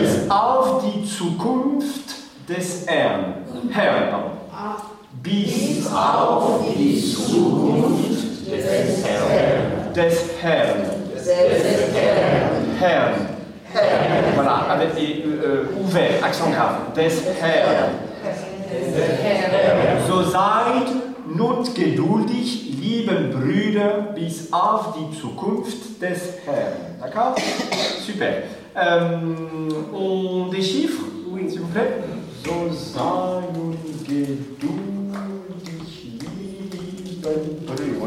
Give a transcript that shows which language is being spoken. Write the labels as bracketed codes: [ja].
[de] Bis auf die Zukunft des Herrn. Herrn, pardon. Bis auf die Zukunft des Herrn. Des Herrn. Des Herrn. Herrn. [fr] Voilà, avec ouvert, accent grave. [de] Des Herrn. Des Herrn. So seid nun geduldig, lieben Brüder, bis auf die Zukunft des Herrn. [fr] D'accord? Super. On déchiffre? Oui, s'il vous plaît. [de] So seid nun geduldig, lieben Brüder.